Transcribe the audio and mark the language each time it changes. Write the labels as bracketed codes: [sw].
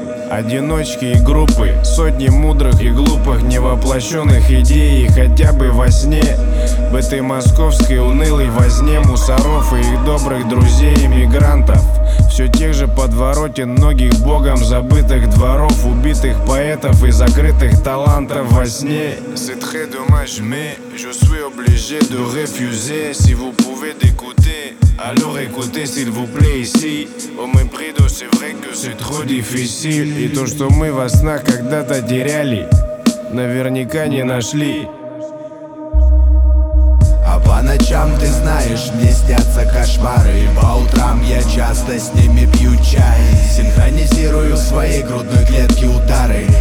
[ru] Одиночки и группы, сотни мудрых и глупых невоплощенных идей, хотя бы во сне. В этой московской унылой возне мусоров и их добрых друзей эмигрантов, все тех же подворотен многих богом забытых дворов, убитых поэтов и закрытых талантов во сне. [fr] C'est très dommage, mais je suis obligé de refuser. Si vous pouvez d'écouter, alors écoutez s'il vous plaît ici. Au mépris de, c'est vrai que c'est trop difficile. [ru] И то, что мы во снах когда-то теряли, наверняка не нашли. А по ночам, ты знаешь, мне снятся кошмары. И по утрам я часто с ними пью чай. Синхронизирую в своей грудной клетке удары.